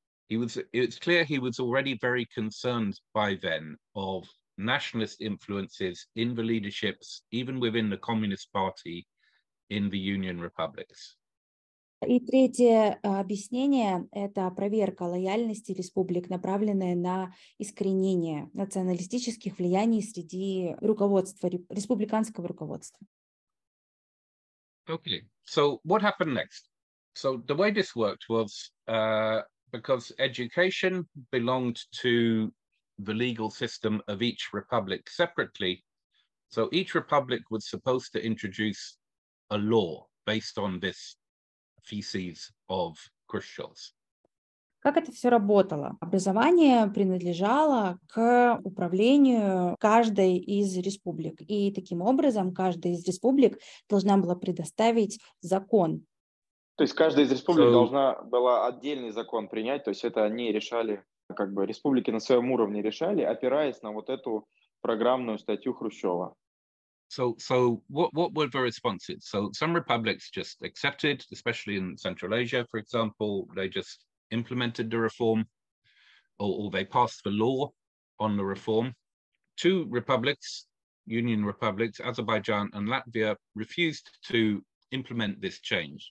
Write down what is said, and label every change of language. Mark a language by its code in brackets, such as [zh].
[en] It's clear he was already very concerned by then of nationalist influences in the leaderships, even within the Communist Party. In the Union Republics. [ru] И третье объяснение – это проверка лояльности республик, направленная на искоренение националистических влияний среди руководства, республиканского руководства. [en] Okay, so what happened next? So the way this worked was because education belonged to the legal system of each republic separately, so each republic was supposed to introduce a law based on this feces of Khrushchev's. [ru] Как это все работало? Образование принадлежало к управлению каждой из республик, и таким образом каждая из республик должна была предоставить закон. То есть каждая из республик должна была отдельный закон принять, то есть это они решали, как бы республики на своем уровне решали, опираясь на вот эту программную статью Хрущева. [en] So what were the responses? So some republics just accepted, especially in Central Asia, for example, they just implemented the reform, or they passed the law on the reform. Two republics, Union republics, Azerbaijan and Latvia, refused to implement this change.